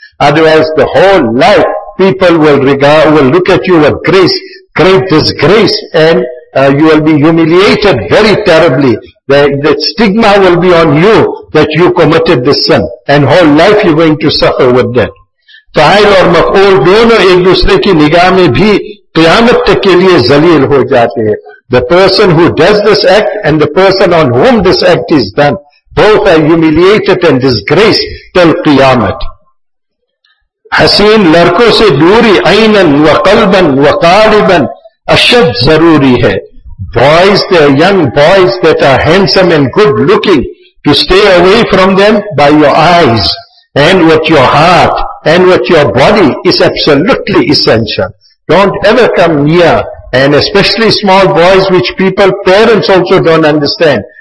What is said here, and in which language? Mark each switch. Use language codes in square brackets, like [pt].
[en] Otherwise the whole life people will look at you with great disgrace, and you will be humiliated very terribly. That stigma will be on you that you committed this sin, and whole life you're going to suffer with that. [ur] فاعل اور مفعول دونوں ایک دوسرے کی نگاہ میں بھی قیامت تک کے لیے ذلیل ہو جاتے ہیں. [en] The person who does this act and the person on whom this act is done, both are humiliated and disgraced till قیامت. [ur] حسین لڑکوں سے دوری عیناً وقلباً وقالباً اشد ضروری ہے. [en] Boys, they are young boys that are handsome and good looking, to stay away from them by your eyes and with your heart and with your body is absolutely essential. Don't ever come near, and especially small boys, which people, parents also don't understand.